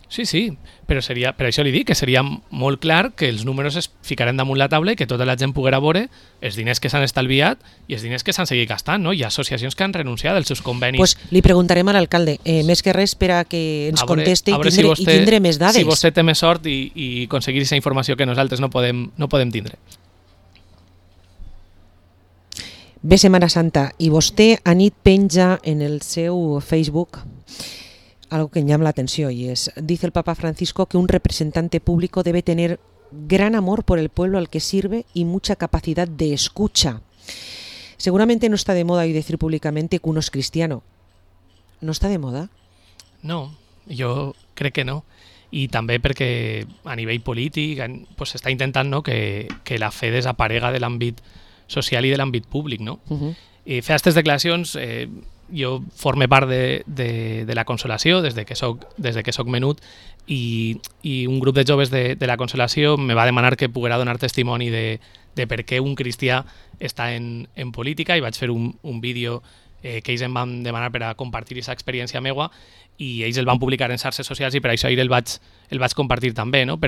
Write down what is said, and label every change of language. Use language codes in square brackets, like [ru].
[ca] Sí, sí, però seria, per això li dic que seria molt clar que els números es ficaran damunt la taula i que tota la gent poguera veure els diners que s'han estalviat i els diners que s'han seguit gastant, no? Hi ha associacions que han renunciat als seus convenis. Pues li preguntarem a l'alcalde, més que res per a que ens contesti i tindre més dades. Si vostè té més sort i aconseguir aquesta informació que nosaltres no podem tindre. Bé, Setmana Santa, i vostè anit penja en el seu [es] Facebook algo que llama la atención y es, dice el Papa Francisco que un representante público debe tener gran amor por el pueblo al que sirve y mucha capacidad de escucha. Seguramente no está de moda hoy decir públicamente que uno es cristiano. ¿No está de moda? No, yo creo que no. [ca] I també perquè a nivell polític pues està intentant, no, que la fe desaparega de l'àmbit social i de l'àmbit públic, no? Uh-huh. I fer aquestes declaracions, jo formo part de la Consolació des de que soc menut i un grup de joves de la Consolació me va demanar que poguera donar testimoni de per què un cristià està en política i vaig fer un vídeo que ells em van demanar per a compartir aquesta experiència meua i ells el van publicar en xarxes socials i per això ahir el vaig compartir també, no?